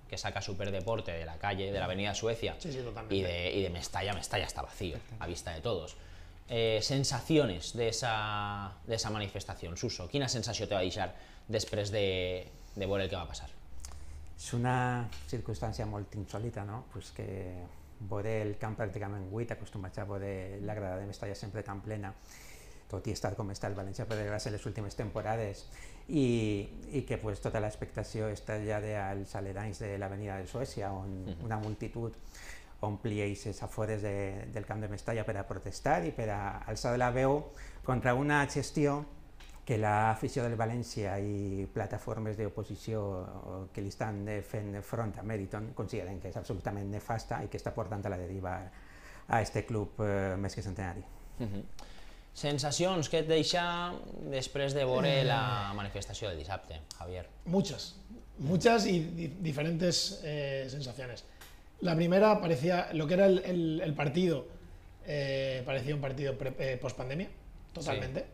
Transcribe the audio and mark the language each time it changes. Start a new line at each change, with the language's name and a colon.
Spanish: que saca Superdeporte de la calle, de la Avenida Suecia, sí, totalmente. Y de Mestalla está vacío, a vista de todos. Sensaciones de esa manifestación, Suso,
Catalan: ¿quina
Spanish: sensación te va a deixar después de ver el que va a pasar?
Catalan: Es una circunstancia molt insòlita, ¿no? Pues que ver el camp pràcticament buit, acostumat a ver la grada de Mestalla sempre tan plena, tot i estar com està el València per desgràcia les últimes temporades, i que pues, tota l'expectació està ja dels aledanys de l'avenida de Suècia, on una multitud omplia les afores del camp de Mestalla per a protestar i per a alçar la veu contra una gestió que l'afició del València i plataformes d'oposició que li estan fent front a Meriton consideren que és absolutament nefasta i que està portant a la deriva a este club més que centenari. Sensacions que et deixa després de veure la manifestació del dissabte, Javier?
Spanish: Muchas y diferentes sensaciones. La primera parecía, lo que era el partido, parecía un partido post-pandemia, totalmente.